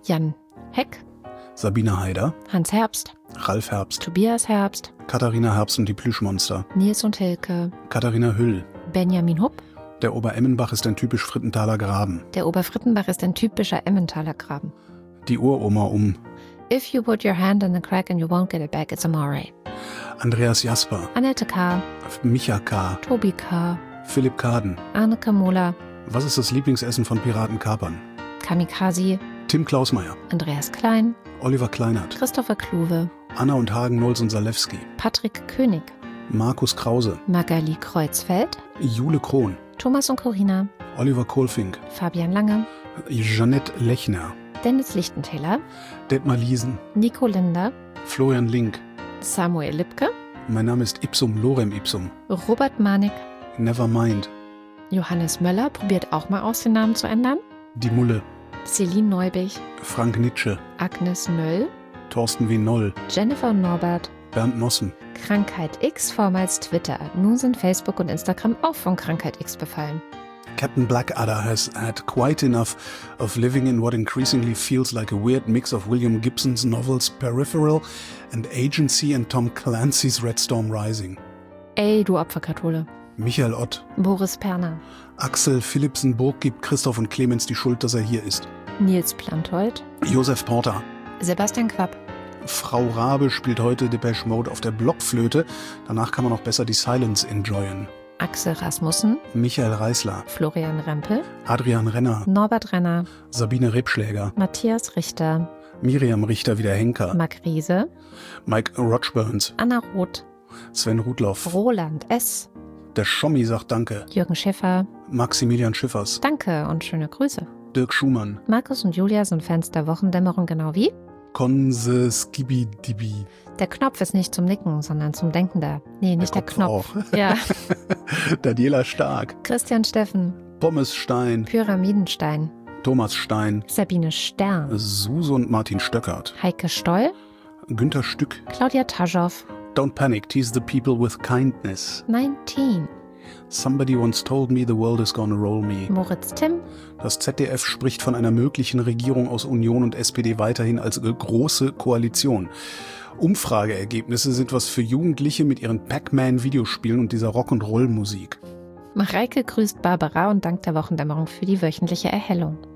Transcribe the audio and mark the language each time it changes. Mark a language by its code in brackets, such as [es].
[de] Jan Heck. Sabine Heider. Hans Herbst. Ralf Herbst. Tobias Herbst. Katharina Herbst und die Plüschmonster. Nils und Hilke. Katharina Hüll. Benjamin Hupp. Der Oberemmenbach ist ein typisch Frittenthaler Graben. Der Oberfrittenbach ist ein typischer Emmentaler Graben. Die Uroma [en] If you put your hand in the crack and you won't get it back, it's a moray. [de] Andreas Jasper. Annette K. Micha K. Tobi K. Philipp Kaden. Arne Kamola. Was ist das Lieblingsessen von Piraten Kapern? Kamikaze. Tim Klausmeier. Andreas Klein. Oliver Kleinert. Christopher Kluwe. Anna und Hagen Nolz und Salewski. Patrick König. Markus Krause. Magali Kreuzfeld. Jule Krohn. Thomas und Corina. Oliver Kohlfink. Fabian Lange. Jeanette Lechner. Dennis Lichtenthaler. Detmar Liesen. Nico Linder. Florian Link. Samuel Lipke. Mein Name ist Ipsum Lorem Ipsum. Robert Manik. Nevermind. Johannes Möller probiert auch mal aus, den Namen zu ändern. Die Mulle. Celine Neubig. Frank Nitsche. Agnes Möll. Thorsten W. Noll. Jennifer Norbert. Bernd Nossen. Krankheit X, vormals Twitter. Nun sind Facebook und Instagram auch von Krankheit X befallen. [en] Captain Blackadder has had quite enough of living in what increasingly feels like a weird mix of William Gibson's novels Peripheral and Agency and Tom Clancy's Red Storm Rising. [de] Ey, du Opferkathole. Michael Ott. Boris Perner. Axel Philipsen-Burg gibt Christoph und Clemens die Schuld, dass er hier ist. Nils Plantold. Josef Porter. Sebastian Quapp. Frau Rabe spielt heute Depeche Mode auf der Blockflöte. Danach kann man auch besser die Silence enjoyen. Axel Rasmussen. Michael Reißler. Florian Rempel. Adrian Renner. Norbert Renner. Sabine Rebschläger. Matthias Richter. Miriam Richter wieder Henker. Marc Riese. Mike Rochburns. Anna Roth. Sven Rudloff. Roland S. Der Schommi sagt Danke. Jürgen Schiffer. Maximilian Schiffers. Danke und schöne Grüße. Dirk Schumann. Markus und Julia sind Fans der Wochendämmerung genau wie? Konse Skibi Dibi. Der Knopf ist nicht zum Nicken, sondern zum Denken da. Nee, nicht der Knopf. Ja. Daniela Stark. Christian Steffen. Pommes Stein. Pyramidenstein. Thomas Stein. Sabine Stern. Suse und Martin Stöckert. Heike Stoll. Günther Stück. Claudia Taschow. [en] Don't panic, tease the people with kindness. [de] 19. [en] Somebody once told me the world is gonna roll me. [de] Moritz Timm. Das ZDF spricht von einer möglichen Regierung aus Union und SPD weiterhin als große Koalition. Umfrageergebnisse sind was für Jugendliche mit ihren Pac-Man-Videospielen und dieser Rock'n'Roll-Musik. Mareike grüßt Barbara und dankt der Wochendämmerung für die wöchentliche Erhellung.